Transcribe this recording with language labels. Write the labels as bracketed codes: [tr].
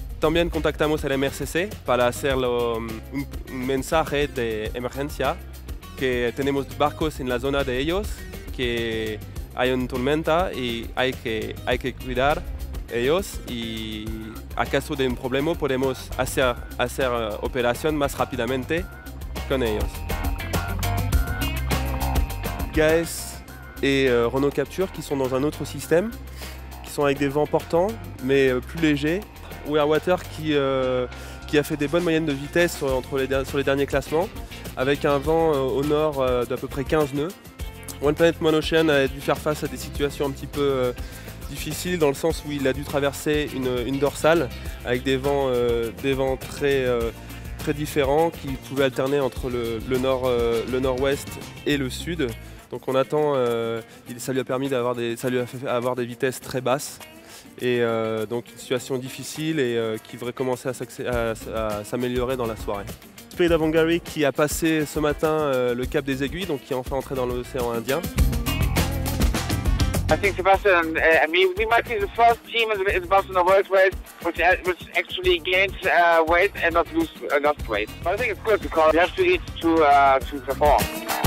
[es] También contactamos al MRCC para hacer un mensaje de emergencia, que tenemos barcos en la zona de ellos, que hay una tormenta y hay que cuidar ellos y a caso de un problema podemos hacer operación más rápidamente con ellos. [fr] Gaes et Renault Capture qui sont dans un autre système, qui sont avec des vents portants mais plus légers. Weirwater qui a fait des bonnes moyennes de vitesse sur les derniers classements avec un vent au nord d'à peu près 15 nœuds. One Planet One Ocean a dû faire face à des situations un petit peu difficile dans le sens où il a dû traverser une dorsale avec des vents très, très différents qui pouvaient alterner entre le nord-ouest et le sud. Donc on attend, ça lui a permis d'avoir des vitesses très basses et donc une situation difficile et qui devrait commencer à s'améliorer dans la soirée. Spirit of Hungary qui a passé ce matin le cap des aiguilles, donc qui est enfin entré dans l'océan Indien. [en] I think Sebastian, we might be the first team in the Barcelona World Race which actually gains weight and not lose weight. But I think it's good because you have to eat to perform.